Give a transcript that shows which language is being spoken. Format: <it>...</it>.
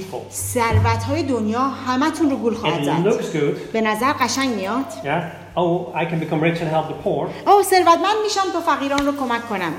<fa>ثروت های دنیا همه تون رو گول خواهد زد. به نظر قشنگ میاد.</fa> <en>Oh, I can become rich and help the poor.</en> <fa>Oh, ثروتمند میشم تا فقیران رو کمک کنم.</fa>